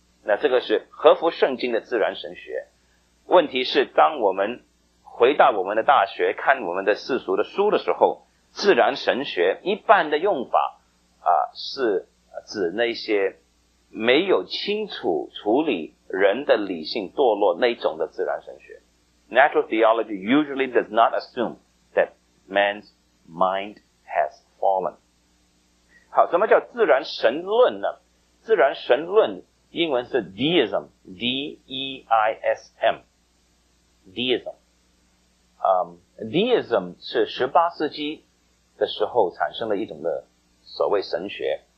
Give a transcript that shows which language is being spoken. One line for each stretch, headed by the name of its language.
Chinese: 那这个是合乎圣经的自然神学。问题是当我们回到我们的大学看我们的世俗的书的时候，自然神学一般的用法是指那些没有清楚处理人的理性堕落那种的自然神学。
English: Natural theology usually does not assume that man's mind has fallen.
Chinese: 好，什么叫自然神论呢？自然神论英文是 deism, D-E-I-S-M, deism。 Deism 是18世纪的时候产生了一种的所谓神学。